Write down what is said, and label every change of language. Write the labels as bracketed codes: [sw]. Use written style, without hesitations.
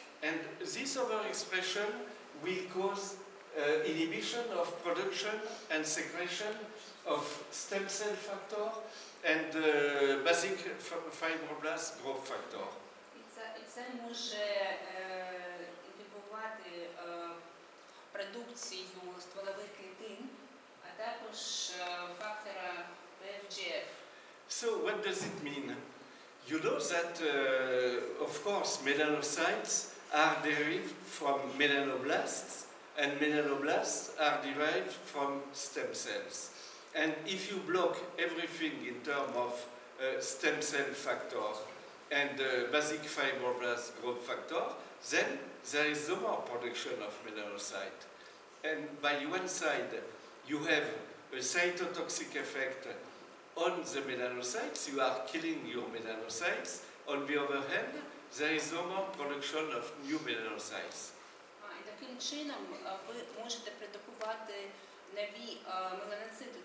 [en] And this overexpression will cause inhibition of production and secretion of stem cell factor and basic fibroblast growth factor. Це може індукувати продукцію стволових клітин, а також фактора BFGF. So what does it mean? You know that, of course, melanocytes are derived from melanoblasts, and melanoblasts are derived from stem cells. And if you block everything in terms of stem cell factor and basic fibroblast growth factor, then there is no more production of melanocytes. And by one side, you have a cytotoxic effect on the melanocytes, you are killing your melanocytes. On the other hand, there is no more production of new melanocytes. [uk] Таким чином ви можете продукувати нові меланоцити.